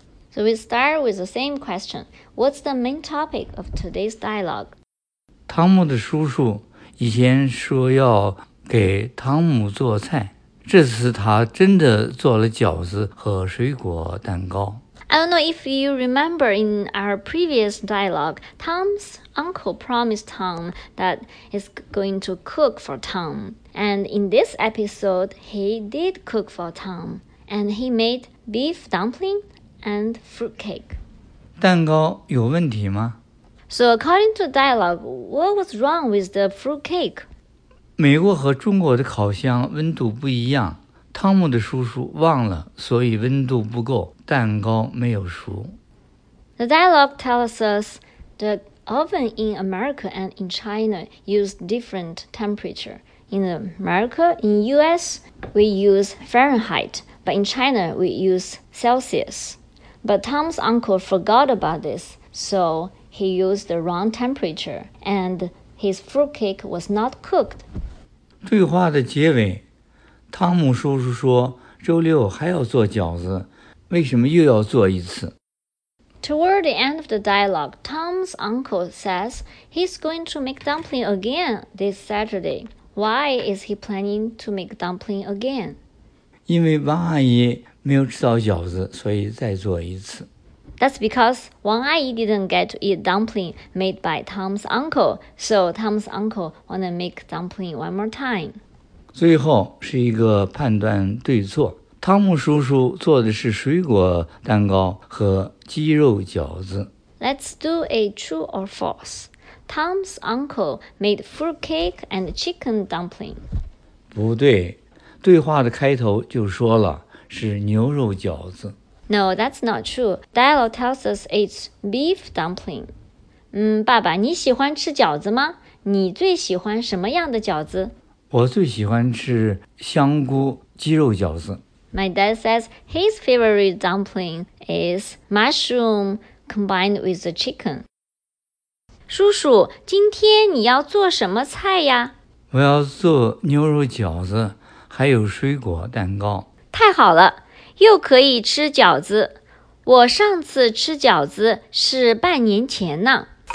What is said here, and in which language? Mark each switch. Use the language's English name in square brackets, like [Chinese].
[English] So we start with the same question. What's the main topic of today's dialogue? [Chinese] 汤姆的叔叔以前说要给汤姆做菜，这次他真的做了饺子和水果蛋糕。 [English] I don't know if you remember in our previous dialogue, Tom's uncle promised Tom that he's going to cook for Tom. And in this episode, he did cook for Tom. And he made beef dumpling and fruitcake. [Chinese] 蛋糕有问题吗? [English] So according to dialogue, what was wrong with the fruitcake? [Chinese] 美国和中国的烤箱温度不一样。汤姆的叔叔忘了，所以温度不够，蛋糕没有熟。 [English] The dialogue tells us the oven in America and in China use different temperature. In America, in US, we use Fahrenheit, but in China, we use Celsius. But Tom's uncle forgot about this, so he used the wrong temperature, and his fruitcake was not cooked. [Chinese] 对话的结尾。汤姆叔叔说周六还要做饺子，为什么又要做一次？ [English] Toward the end of the dialogue, Tom's uncle says he's going to make dumpling again this Saturday. Why is he planning to make dumpling again? [Chinese] 因为王阿姨没有吃到饺子，所以再做一次。 [English] That's because Wang Ai didn't get to eat dumpling made by Tom's uncle, so Tom's uncle want to make dumpling one more time. [Chinese] 最后是一个判断对错。汤姆叔叔做的是水果蛋糕和鸡肉饺子。 [English] Let's do a true or false. Tom's uncle made fruitcake and chicken dumpling. [Chinese] 不对，对话的开头就说了是牛肉饺子。 [English] No, that's not true. Dialogue tells us it's beef dumpling. [Chinese] 爸爸，你喜欢吃饺子吗？你最喜欢什么样的饺子？我最喜欢吃香菇鸡肉饺子。 [English] My dad says his favorite dumpling is mushroom combined with the chicken. [Chinese] 叔叔，今天你要做什么菜呀？我要做牛肉饺子，还有水果蛋糕。太好了，又可以吃饺子。我上次吃饺子是半年前呢。